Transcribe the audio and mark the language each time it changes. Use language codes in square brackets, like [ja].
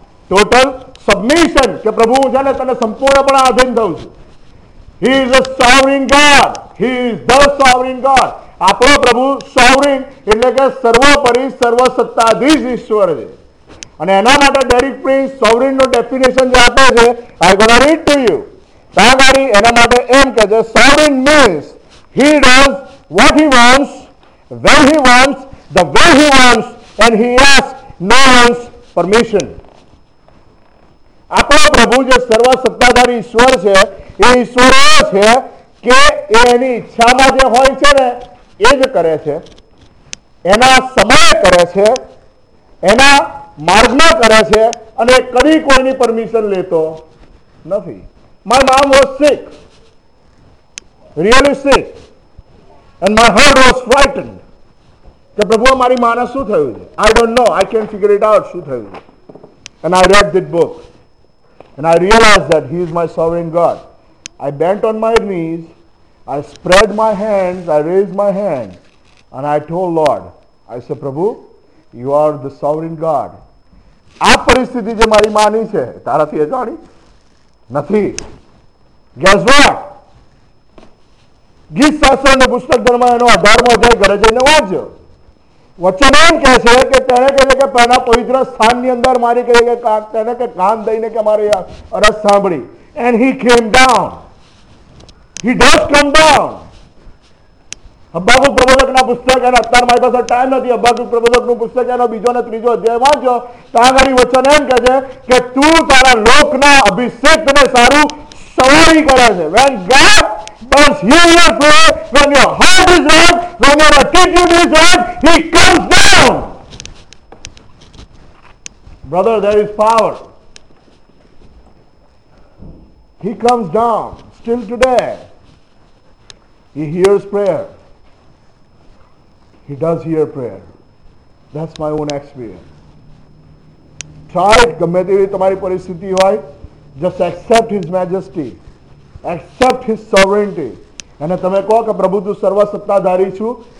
[gu] Total submission કે પ્રભુ હું છે ને તને સંપૂર્ણપણે આધીન થઉં છું. [en] He is a sovereign God, he is the sovereign God. [gu] આપણો પ્રભુ સોવરિંગ એટલે કે સર્વોપરી સર્વ સત્તાધીશ ઈશ્વર છે. અને એના માટે ડેરિક પ્રિન્સ સોવરિંગ નો ડેફિનેશન જે આપે છે [en] I gonna read to you. [gu] ત્યાં ગાડી એના માટે એમ કે છે [en] Sovereign means he does what he wants, when he wants, the way he wants, and he asks no one's permission. [gu] આપણો પ્રભુ જે સર્વ સત્તાધારી ઈશ્વર છે એ ઈશ્વર એવો છે કે એ એની ઈચ્છામાં જે હોય છે ને એ જ કરે છે, એના સમયે કરે છે, એના માર્ગમાં કરે છે અને કદી કોઈની પરમિશન લેતો નથી. [en] My mom was sick, really sick. And my heart was frightened. [gu] કે પ્રભુ મારી માને શું થયું છે? [en] I don't know. I can't figure it out. [gu] શું થયું છે? [en] And I read that book. And I realized that he is my sovereign God. I bent on my knees. I spread my hands. I raised my hand. And I told Lord. I said, પ્રભુ, you are the sovereign God. [gu] આ પરિસ્થિતિ જે મારી માની છે તારાથી એ જાણી નથી. [en] Guess what? [gu] ગીત શાસ્ત્ર અને પુસ્તક ધર્મ એનો 18મો અધ્યાય ઘરે જઈને વાંચજો. વચન એમ કહે છે કે તેને કહે કે પહેલા પવિત્ર સ્થાનની અંદર મારી કહે કે કાક તેને કે કાન દઈને કે મારે અરજ સાંભળી. [en] And he came down, he does come down. [gu] અબાકુક પ્રબોધકના પુસ્તક એના અત્યારે મારી પાસે ટાઈમ નથી, અબાકુક પ્રબોધકનું પુસ્તક એનો બીજો અને ત્રીજો અધ્યાય વાંચો, ત્યાં ઘણી વચન એમ કહે છે કે તું તારા લોકના અભિષેકને સારું સવારી કરે છે. [en] When God does hear your prayer, when your heart is right, when your attitude is right, he comes down. Brother, there is power. He comes down still today. He hears prayer. He does hear prayer. That's my own experience. Try it. [gu] ગમે તેવી તમારી પરિસ્થિતિ હોય, [en] just accept His majesty. Accept His sovereignty. [gu] અને તમે કહો કે પ્રભુ તું સર્વસત્તાધારી છું.